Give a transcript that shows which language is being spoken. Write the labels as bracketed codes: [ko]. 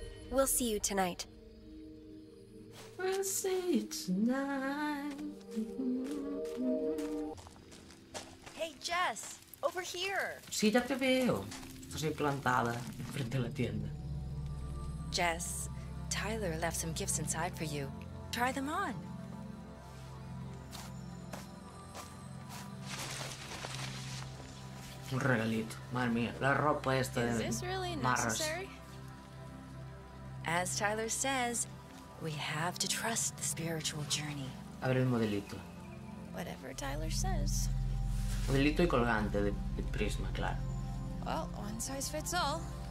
[en] We'll see you tonight. I'll see you tonight. Hey, Jess, over here. [es] Sí, ya te veo. Estás ahí plantada en frente a la tienda. [en] Jess, Tyler left some gifts inside for you. Try them on. [es] Un regalito, madre mía, la ropa esta de marras. [en] Is this really necessary? As Tyler says, we have to trust the spiritual journey. [es] A ver el modelito. [en] Whatever Tyler says. [es] Modelito y colgante de prisma, claro. [en] Well, one size fits all.